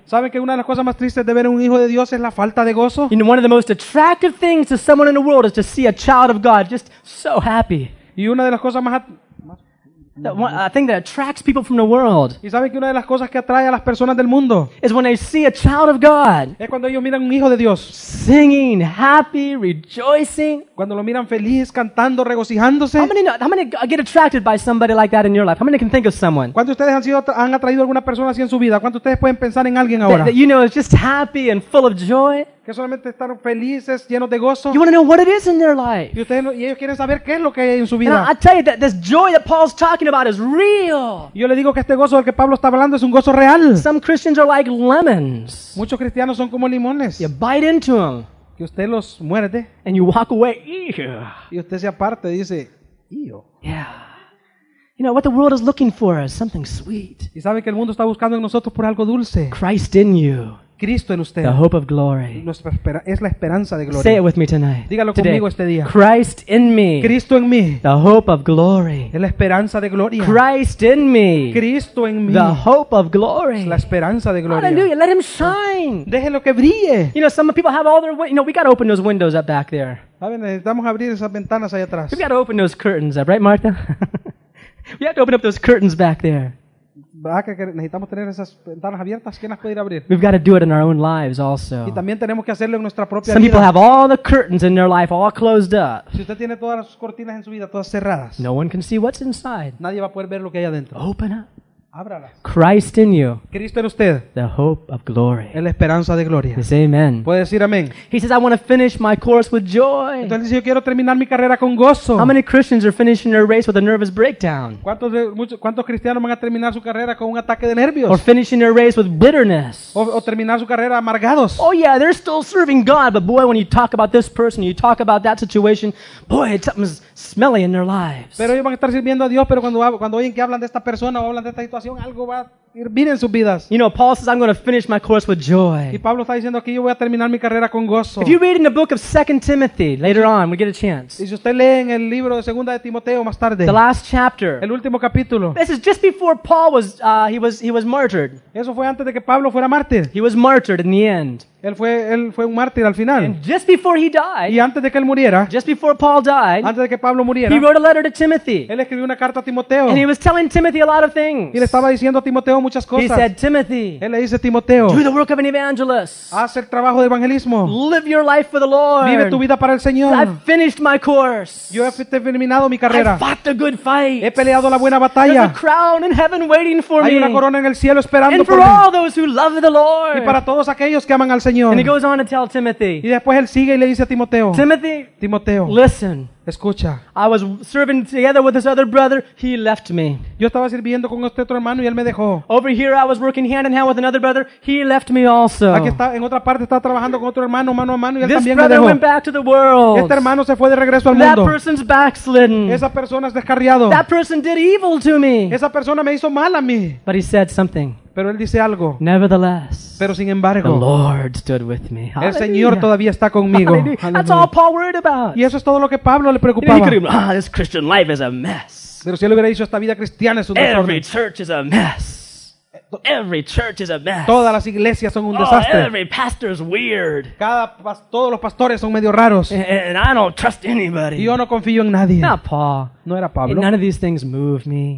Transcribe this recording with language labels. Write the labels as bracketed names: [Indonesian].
[Spanish] ¿Saben que una de las cosas más tristes de ver a un hijo de Dios es la falta de gozo? [English] You know, one of the most attractive things to someone in the world is to see a child of God just so happy. [Spanish] Y una de las cosas más [English] I think that attracts people from the world. [Spanish] ¿Y sabe que una de las cosas que atrae a las personas del mundo? [English] Is when they see a child of God. [Spanish] Es cuando ellos miran un hijo de Dios. [English] Singing, happy, rejoicing. [Spanish] Cuando lo miran feliz, cantando, regocijándose. [English] How many get attracted by somebody like that in your life? How many can think of someone? [Spanish] ¿Cuántos de ustedes han atraído a alguna persona así en su vida? ¿Cuántos de ustedes pueden pensar en alguien ahora? [English] That, you know, it's just happy and full of joy. [Spanish] que solamente están felices, llenos de gozo. [English] You want to know what it is in their life. [Spanish] Y ustedes, y ellos quieren saber qué es lo que hay en su vida. [English] And I tell you that this joy that Paul's talking about is real. [Spanish] Yo le digo que este gozo del que Pablo está hablando es un gozo real. [English] Some Christians are like lemons. [Spanish] Muchos cristianos son como limones. [English] You bite into them. [Spanish] Que usted los muerde. [English] And you walk away. [Spanish] Y usted se aparta y dice, ¡Ew! [English] Yeah. You know what the world is looking for is something sweet. [Spanish] ¿Y sabe que el mundo está buscando en nosotros por algo dulce? [English] Christ in you. [Spanish] Cristo en usted. [English] The hope of glory. [Spanish] Es la esperanza de gloria. [English] Say it with me tonight. [Spanish] Dígalo [English] today, [Spanish] conmigo este día. [English] Christ in me. [Spanish] Cristo en mí. [English] The hope of glory. [Spanish] Es la esperanza de gloria. [English] Christ in me. [Spanish] Cristo en mí. [English] The hope of glory. [Spanish] La esperanza de gloria. [English] Hallelujah. Let him shine. [Spanish] Déjelo que brille. [English] You know, some people have all their you know, we got to open those windows up back there. [Spanish] ¿Saben? Necesitamos abrir esas ventanas allá atrás. [English] We got to open those curtains up, right, Martha? We have to open up those curtains back there. [Spanish] Necesitamos tener esas ventanas abiertas. ¿Quién las puede ir a abrir? [English] We've got to do it in our own lives also. [Spanish] Y también tenemos que hacerlo en nuestra propia [English] Some [Spanish] vida. [English] People have all the curtains in their life all closed up. [Spanish] Si usted tiene todas las cortinas en su vida todas cerradas. [English] No one can see what's inside. [Spanish] Nadie va a poder ver lo que hay adentro. [English] Open up. [Spanish] Ábralas. [English] Christ in you. [Spanish] Cristo en usted. [English] The hope of glory. [Spanish] La esperanza de gloria. [English] Yes, amen. [Spanish] Puede decir amén. [English] He says, I want to finish my course with joy. [Spanish] Entonces dice, yo quiero terminar mi carrera con gozo. [English] How many Christians are finishing their race with a nervous breakdown? [Spanish] ¿Cuántos cristianos van a terminar su carrera con un ataque de nervios? [English] Or finishing their race with bitterness. [Spanish] O terminar su carrera amargados. [English] Oh yeah, they're still serving God, but boy, when you talk about this person, you talk about that situation, boy, something's smelly in their lives. [Spanish] Pero ellos van a estar sirviendo a Dios, pero cuando oyen que hablan de esta persona o hablan de esta situación, algo va a hervir en sus vidas. [English] You know, Paul says, I'm going to finish my course with joy. [Spanish] Y Pablo está diciendo aquí, yo voy a terminar mi carrera con gozo. [English] If you read in the book of 2 Timothy, later on, we get a chance. [Spanish] Y si usted lee en el libro de 2 de Timoteo más tarde. [English] The last chapter. [Spanish] El último capítulo. [English] This is just before Paul was, he was martyred. [Spanish] Eso fue antes de que Pablo fuera mártir. [English] He was martyred in the end. [Spanish] Él fue un mártir al final. [English] And just before he died. [Spanish] Y antes de que él muriera. [English] Just before Paul died. [Spanish] Antes de que Pablo muriera. [English] He wrote a letter to Timothy. [Spanish] Él escribió una carta a Timoteo. [English] And he was telling Timothy a lot of things. [Spanish] Y le estaba diciendo a Timoteo muchas cosas. [English] He said, Timothy. [Spanish] Él le dice a Timoteo. [English] Do the work of an evangelist. [Spanish] Haz el trabajo de evangelismo. [English] Live your life for the Lord. [Spanish] Vive tu vida para el Señor. [English] I've finished my course. [Spanish] Yo he terminado mi carrera. [English] I fought the good fight. [Spanish] He peleado la buena batalla. [English] There's a crown in heaven waiting for me. [Spanish] Hay una corona en el cielo esperando [English] and [Spanish] por mí. [English] And for all those who love the Lord. [Spanish] Y para todos aquellos que aman al Señor. [English] And he goes on to tell Timothy. [Spanish] Y después él sigue y le dice a Timoteo. [English] Timothy, [Spanish] Timoteo, [English] listen. [Spanish] Escucha. [English] I was serving together with this other brother. He left me. [Spanish] Yo estaba sirviendo con este otro hermano y él me dejó. [English] Over here, I was working hand in hand with another brother. He left me also. [Spanish] Aquí está, en otra parte estaba trabajando con otro hermano mano a mano y él [English] this [Spanish] también [English] brother [Spanish] me dejó. [English] Went back to the world. [Spanish] Este hermano se fue de regreso al [English] that [Spanish] mundo. [English] That person's backslidden. [Spanish] Esa persona es descarriado. [English] That person did evil to me. [Spanish] Esa persona me hizo mal a mí. [English] But he said something. [Spanish] Pero él dice algo. [English] Nevertheless, [Spanish] pero sin embargo, [English] the Lord stood with me. [Spanish] El Señor todavía está conmigo. [English] That's all Paul worried about. [Spanish] Y eso es todo lo que Pablo le preocupaba. [English] You know, this Christian life is a mess. [Spanish] Pero si él hubiera dicho, esta vida cristiana es un desastre. [English] Every church is a mess. Every church is a mess. [Spanish] Todas las iglesias son un desastre. [English] Every pastor is weird. [Spanish] Todos los pastores son medio raros. [English] And I don't trust anybody. [Spanish] Yo no confío en nadie. [English] Not Paul. [Spanish] No era Pablo. [English] And none of these things move me.